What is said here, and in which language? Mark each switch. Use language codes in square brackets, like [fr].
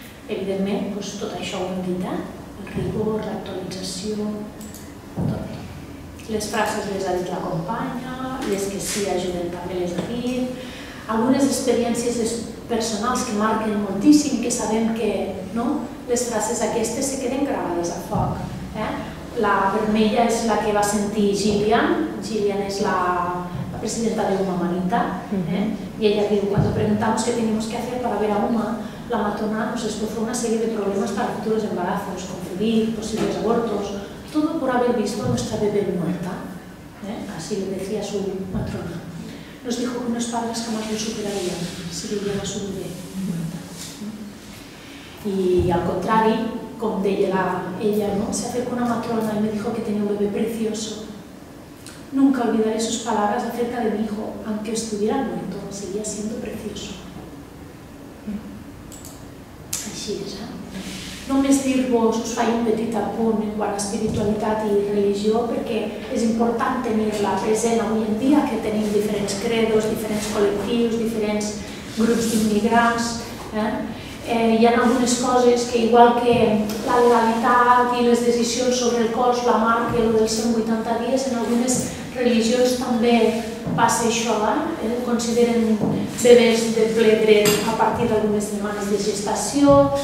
[ca] Evidentment, doncs, tot això ho hem dit, eh? Rigor, actualització, tot. Les frases les ha dit la companya, les que sí ajuden també les ha dit, algunes experiències personals que marquen moltíssim, que sabem que no, les frases aquestes se queden gravades a foc. Eh? La vermella és la que va sentir Gillian, Gillian és la presidenta de Uma Manita, i ella diu, [es] quan preguntamos què tenemos que hacer para ver a Uma, la matrona nos esbozó una serie de problemas para futuros embarazos, confundir, posibles abortos, todo por haber visto a nuestra bebé muerta, así le decía su matrona. Nos dijo que unos padres jamás lo superarían si vivían a su bebé muerta. Y al contrario, como deia ella, ¿no? Se acercó una matrona y me dijo que tenía un bebé precioso. Nunca olvidaré sus palabras acerca de mi hijo, aunque estuviera muerto, seguía siendo precioso. [ca] Així és, eh? Només dir-vos, us faig un petit apunt en quant a espiritualitat i religió, perquè és important tenir-la present avui en dia, que tenim diferents credos, diferents col·lectius, diferents grups d'immigrants, Hi ha algunes coses que, igual que la legalitat i les decisions sobre el cos, la marca, el dels 180 dies, en algunes religions també passa això, consideren bebès de ple dret a partir d'algunes setmanes de gestació.